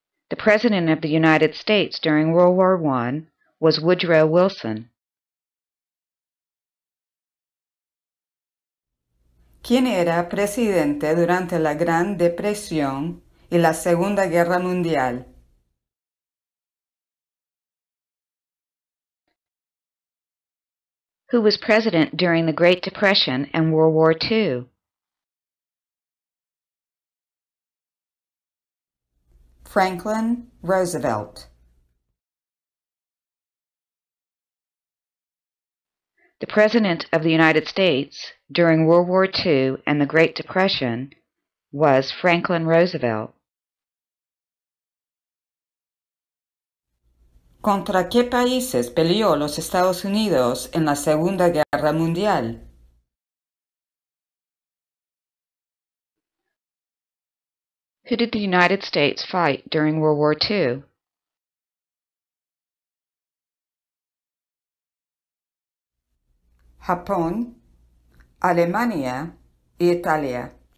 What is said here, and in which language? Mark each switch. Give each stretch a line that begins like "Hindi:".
English: The president of the United States during World War I was Woodrow Wilson.
Spanish: ¿Quién era presidente durante la Gran Depresión y la Segunda Guerra Mundial?
English: Who was president during the Great Depression and World War II?
Spanish: Franklin Roosevelt.
English: The President of the United States during World War II and the Great Depression was Franklin Roosevelt.
Spanish: ¿Contra qué países peleó los Estados Unidos en la Segunda Guerra Mundial?
English: Who did the United States fight during World War II?
Spanish: Japón, Alemania y Italia.